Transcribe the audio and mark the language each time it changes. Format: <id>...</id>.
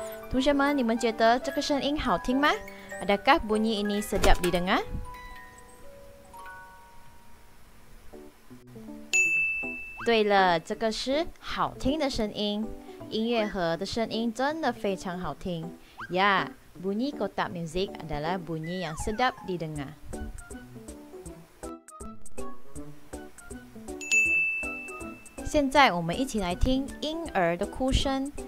<zh>同学们，你们觉得这个声音好听吗 ？</zh> <ms>Adakah bunyi ini sedap didengar？</ms> <zh>对了，这个是好听的声音，音乐盒的声音真的非常好听。</zh> <ms>Ya, bunyi kotak music adalah bunyi yang sedap didengar.</ms> <zh>现在我们一起来听婴儿的哭声。</zh>